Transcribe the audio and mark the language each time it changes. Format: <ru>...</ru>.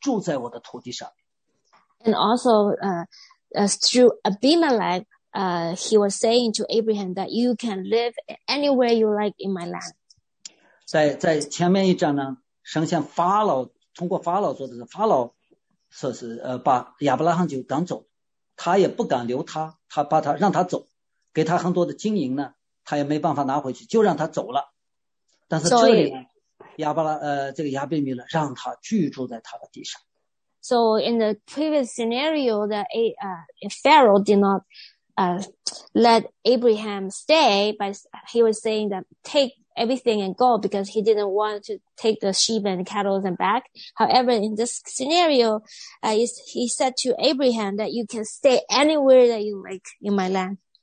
<zh>亚伯拉罕呢，第二点呢，神就借着亚比米勒说，你可以随意的住在我的土地上。</zh> <en>And also, through Abimelech, he was saying to Abraham that you can live anywhere you like in my land.</en> <zh>在前面一章呢，神向法老通过法老做的是法老，说是把亚伯拉罕就赶走，他也不敢留他，他把他让他走，给他很多的金银呢，他也没办法拿回去，就让他走了。但是这里呢，亚伯拉这个亚比米勒让他居住在他的地上。</zh> <en>So in the previous scenario, that Pharaoh did not let Abraham stay, but he was saying that take everything and go because he didn't want to take the sheep and the cattle and back. However, in this scenario, he said to Abraham that you can stay anywhere that you like in my land.</en>